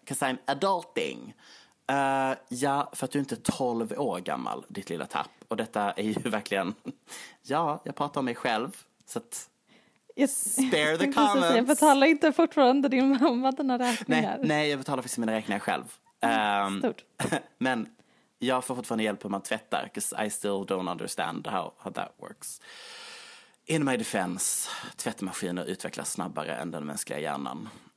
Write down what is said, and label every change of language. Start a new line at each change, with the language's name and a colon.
Swedish: Kan säga adulting. Ja, för att du inte är 12 år gammal, ditt lilla tapp. Och detta är ju verkligen, ja, jag pratar om mig själv, så att...
English: Spare the comments.
Swedish: Jag betalar inte fortfarande din mamma dina räkningar. Nej, jag betalar faktiskt mina räkningar själv. Stort. Men jag får fortfarande hjälp om man tvättar.
English: Because I still don't understand how that works. In my defense,
Swedish: tvättmaskiner utvecklas snabbare än den mänskliga hjärnan.